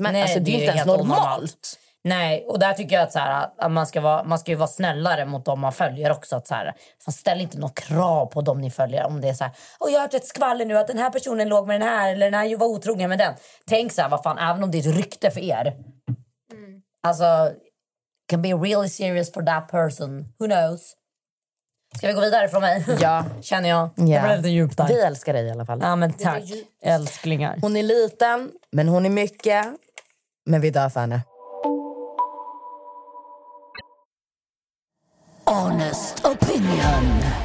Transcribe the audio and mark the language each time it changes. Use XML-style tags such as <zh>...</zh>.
<sv>nej, alltså, det är inte ens normalt. Nej, och där tycker jag att, så här, att man ska ju vara snällare mot dem man följer också. Att så här, ställ inte något krav på dem ni följer. Om det är så här, och jag har hört ett skvaller nu att den här personen låg med den här. Eller den här var otrogen med den. Tänk så här, vad fan, även om det är ett rykte för er. Mm.</sv> <en>Alltså, can be really serious for that person. Who knows?</en> <sv>Ska vi gå vidare från mig? Ja. Känner jag. Yeah. Det blir lite djupt där. Vi älskar dig i alla fall. Ja, men tack. Älsklingar. Hon är liten, men hon är mycket. Men vi dör för henne. Honest opinion.</sv>